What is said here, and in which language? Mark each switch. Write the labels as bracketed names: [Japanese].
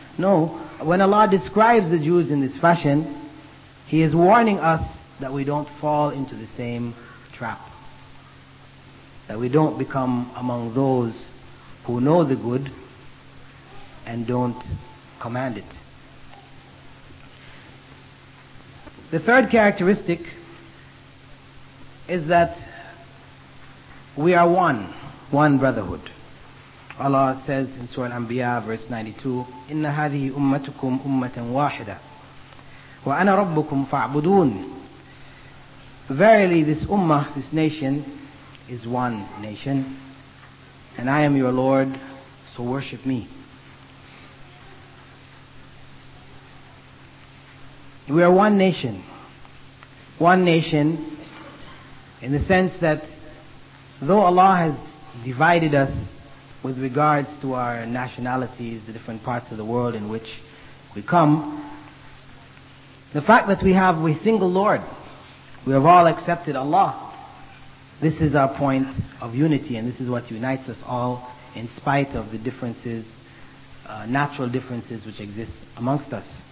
[English] No, when Allah describes the Jews in this fashion, He is warning us that we don't fall into the same trap, that we don't become among those who know the good and don't command it. The third characteristic is that we are one brotherhood. Allah says in Surah Al-Anbiya, verse 92, [Arabic] إِنَّ هَذِهِ أُمَّتُكُمْ أُمَّةً وَاحِدًا وَأَنَا رَبُّكُمْ فَاعْبُدُونَ. [English] Verily this ummah, this nation, is one nation, and I am your Lord, so worship me. We are one nation. One nation in the sense that though Allah has divided us with regards to our nationalities, the different parts of the world in which we come, the fact that we have a single Lord, we have all accepted Allah, this is our point of unity, and this is what unites us all in spite of the differences, natural differences which exist amongst us.